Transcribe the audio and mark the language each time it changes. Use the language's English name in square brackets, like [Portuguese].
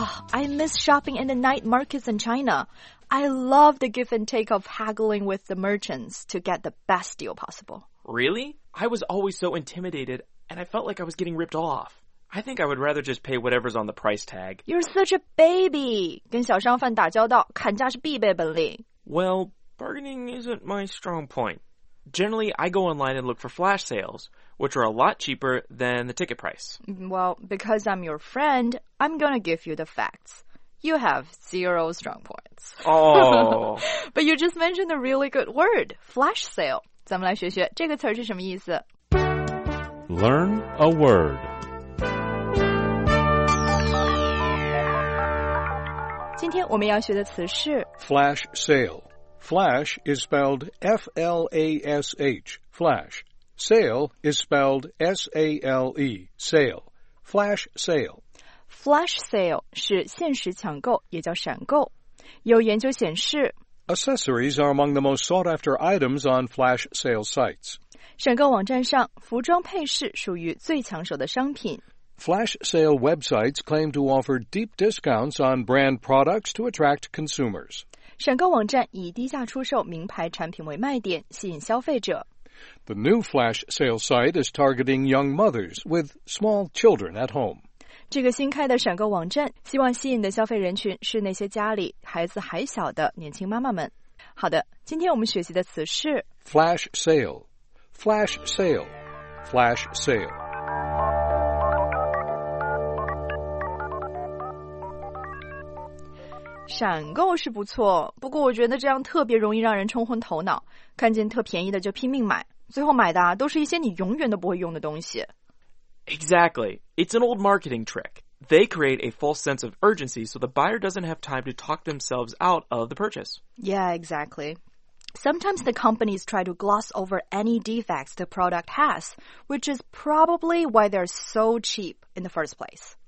[English] I miss shopping in the night markets in China. I love the give and take of haggling with the merchants to get the best deal possible. Really? I was always so intimidated, and I felt like I was getting ripped off. I think I would rather just pay whatever's on the price tag. You're such a baby! [Chinese] 跟小商贩打交道，砍价是必备本领。 [English] Well, bargaining isn't my strong point. Generally, I go online and look for flash sales,which are a lot cheaper than the ticket price. Well, because I'm your friend, I'm going to give you the facts. You have zero strong points. Oh. But you just mentioned a really good word, flash sale. [Chinese] 咱们来学学这个词是什么意思。 [English] Learn a word. [Chinese] 今天我们要学的词是 [English] flash sale. Flash is spelled F-L-A-S-H, flash. Sale is spelled S-A-L-E, sale, flash sale. [Chinese] Flash sale 是限时抢购，也叫闪购。有研究显示 [English] ,Accessories are among the most sought after items on flash sale sites. [Chinese] 闪购网站上，服装配饰属于最抢手的商品。 [English] flash sale websites claim to offer deep discounts on brand products to attract consumers. [Chinese] 选购网站以低价出售名牌产品为卖点，吸引消费者。 [English] The new flash sale site is targeting young mothers with small children at home. [Chinese] 这个新开的闪购网站希望吸引的消费人群是那些家里孩子还小的年轻妈妈们。好的，今天我们学习的词是 [English] flash sale, flash sale, flash sale. [Chinese] 闪购是不错，不过我觉得这样特别容易让人冲昏头脑，看见特便宜的就拼命买。最后买的都是一些你永远都不会用的东西。 [English] Exactly. It's an old marketing trick. They create a false sense of urgency so the buyer doesn't have time to talk themselves out of the purchase. Yeah, exactly. Sometimes the companies try to gloss over any defects the product has, which is probably why they're so cheap in the first place.